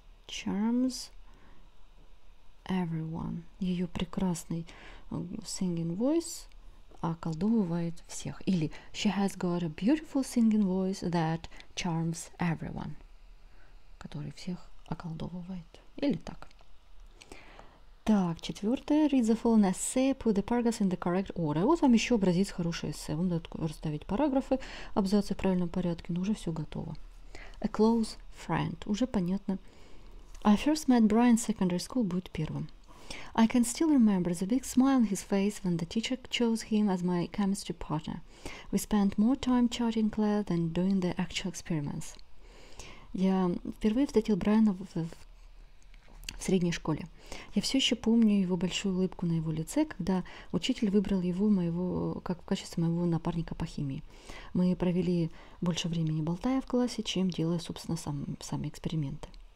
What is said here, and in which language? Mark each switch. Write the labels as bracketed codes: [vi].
[en] Charms everyone. [ru] Ее прекрасный [en] singing voice [ru] околдовывает всех. [en] Или she has got a beautiful singing voice that charms everyone. [ru] Который всех околдовывает. Или так. Так, четвертое. [en] Read the full essay, put the paragraphs in the correct order. [ru] Вот вам еще образец хорошего эссе. Вам надо расставить параграфы, абзацы в правильном порядке, но уже все готово. [en] A close friend. [ru] Уже понятно. [en] I first met Brian secondary school [ru] будет первым. [en] I can still remember the big smile on his face when the teacher chose him as my chemistry partner. We spent more time chatting class than doing the actual experiments. [ru] Я впервые встретил Брайана в средней школе. Я все еще помню его большую улыбку на его лице, когда учитель выбрал его в качестве моего напарника по химии. Мы провели больше времени болтая в классе, чем делая, собственно, сами эксперименты.